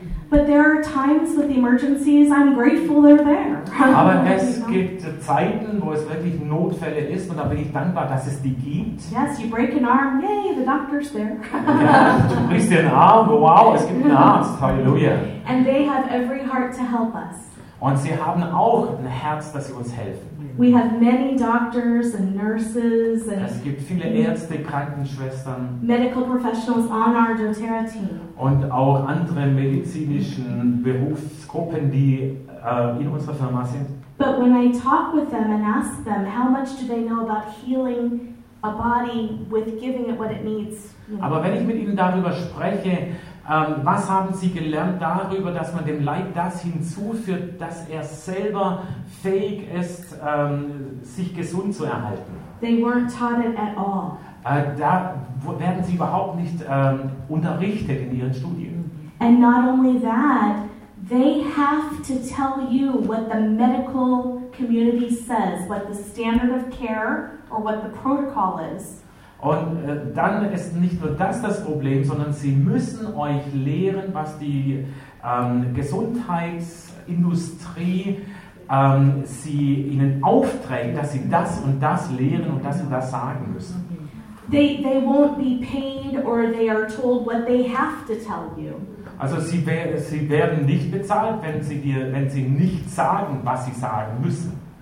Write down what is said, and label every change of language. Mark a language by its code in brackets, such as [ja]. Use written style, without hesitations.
[en] But there are times with the emergencies I'm grateful they're there. [de] Aber es gibt Zeiten, wo es wirklich Notfälle ist und da bin ich dankbar, dass es die gibt. [en] Yes, you break an arm, yay, the doctor's there. [de] Ja, du brichst dir einen Arm, wow, es gibt einen Arzt, halleluja. [en] And they have every heart to help us. [de] Und sie haben auch ein Herz, dass sie uns helfen. [en] We have many doctors and nurses and [de] es gibt viele Ärzte, Krankenschwestern, [en] medical professionals on our doTERRA team. [de] Und auch andere medizinischen Berufsgruppen, die in unserer Firma sind. [en] But when I talk with them and ask them, how much do they know about healing a body with giving it what it needs? [de] Aber wenn ich mit ihnen darüber spreche, was haben Sie gelernt darüber, dass man dem Leib das hinzuführt, dass er selber fähig ist, sich gesund zu erhalten? [en] They weren't taught it at all. [de] Da werden Sie überhaupt nicht unterrichtet in Ihren Studien. [en] And not only that, they have to tell you what the medical community says, what the standard of care or what the protocol is. [de] Und dann ist nicht nur das Problem, sondern sie müssen euch lehren, was die Gesundheitsindustrie sie ihnen aufträgt, dass sie das und das lehren und dass sie das sagen müssen. [en] They won't be paid or they are told what they have to tell you. [de] Also sie werden nicht bezahlt, wenn sie nicht sagen, was sie sagen müssen.